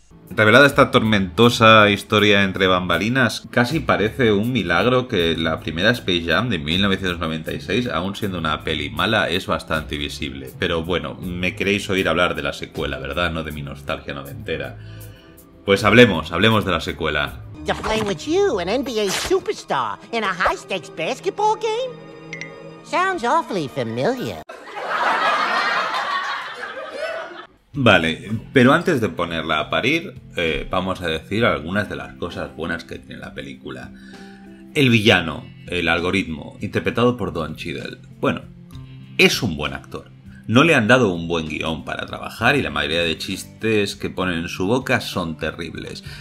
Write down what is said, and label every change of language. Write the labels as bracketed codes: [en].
[es] Revelada esta tormentosa historia entre bambalinas, casi parece un milagro que la primera Space Jam de 1996, aún siendo una peli mala, es bastante visible. Pero bueno, me queréis oír hablar de la secuela, ¿verdad? No de mi nostalgia noventera. Pues hablemos de la secuela. [en] ¿To play with you, an NBA superstar, in a high-stakes basketball game? Sounds awfully familiar. [es] Vale, pero antes de ponerla a parir, vamos a decir algunas de las cosas buenas que tiene la película. El villano, el algoritmo, interpretado por Don Cheadle. Bueno, es un buen actor. No le han dado un buen guión para trabajar y la mayoría de chistes que ponen en su boca son terribles.